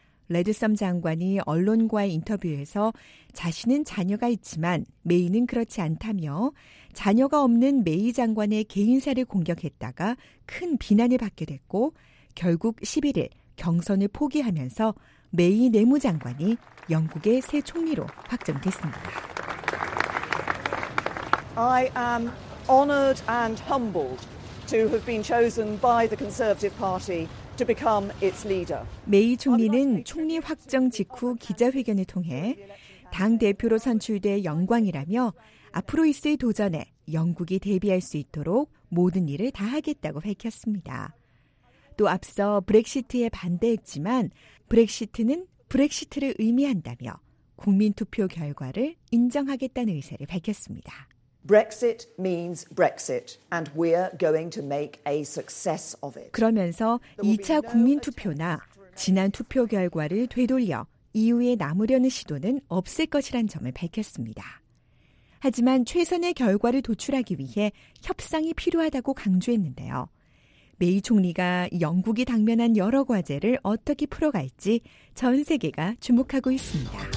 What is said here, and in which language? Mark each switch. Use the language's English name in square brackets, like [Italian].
[Korean] 레드썸 장관이 언론과의 인터뷰에서 자신은 자녀가 있지만 메이는 그렇지 않다며 자녀가 없는 메이 장관의 개인사를 공격했다가 큰 비난을 받게 됐고 결국 11일 경선을 포기하면서 메이 내무장관이 영국의 새 총리로 확정됐습니다. [English] I am honored and humbled to have been chosen by the Conservative Party to become its leader. [Korean] 메이 총리는 총리 확정 직후 기자회견을 통해 당 대표로 선출돼 영광이라며 앞으로 있을 도전에 영국이 대비할 수 있도록 모든 일을 다하겠다고 밝혔습니다. 또 앞서 브렉시트에 반대했지만 브렉시트는 브렉시트를 의미한다며 국민투표 결과를 인정하겠다는 의사를 밝혔습니다. [English] Brexit means Brexit, and we're going to make a success of it. [Korean] 그러면서 2차 국민 투표나 지난 투표 결과를 되돌려 EU에 남으려는 시도는 없을 것이란 점을 밝혔습니다. 하지만 최선의 결과를 도출하기 위해 협상이 필요하다고 강조했는데요. 메이 총리가 영국이 당면한 여러 과제를 어떻게 풀어갈지 전 세계가 주목하고 있습니다.